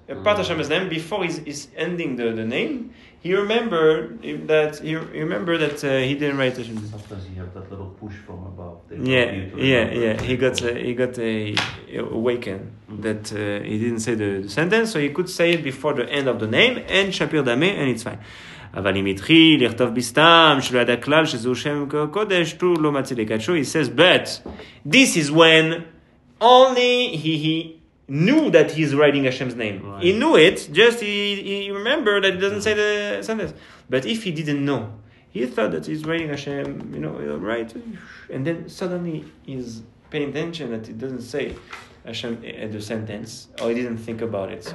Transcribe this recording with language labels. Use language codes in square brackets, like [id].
[en] A part of Hashem's name before he's ending the name. He remembered that he didn't write Hashem's name. Sometimes you have that little push from above. He got awakened that he didn't say the sentence, so he could say it before the end of the name and Shapir Dameh, and it's fine. [he] אבל אם התחיל לכתוב בסתם שלא ידע כלל שזהו שם קודש תו לא מציל לקדשו. [en] He says, but this is when only he knew that he's writing Hashem's name. Right. He knew it, just he remembered that he doesn't say the sentence. But if he didn't know, he thought that he's writing Hashem, you know, right? And then suddenly he's paying attention that he doesn't say Hashem the sentence, or he didn't think about it.